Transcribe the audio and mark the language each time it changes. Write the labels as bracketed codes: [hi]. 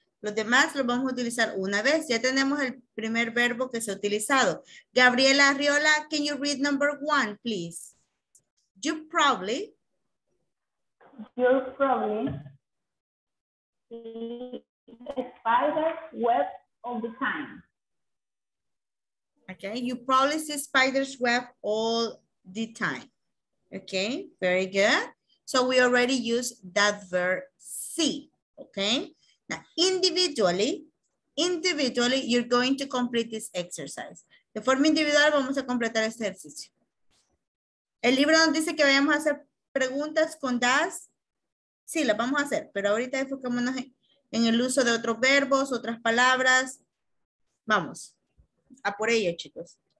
[es] Los demás los vamos a utilizar una vez. Ya tenemos el primer verbo que se ha utilizado. [en] Gabriela Arriola, can you read number one, please? You probably see a spider web all the time. Okay, you probably see spider's web all the time. Okay, very good. So we already used that verb see. Okay, now individually, you're going to complete this exercise. [es] De forma individual, vamos a completar el ejercicio. El libro nos dice que vayamos a hacer preguntas con das. Sí, las vamos a hacer, pero ahorita enfocémonos en el uso de otros verbos, otras palabras. Vamos, a por ello, chicos.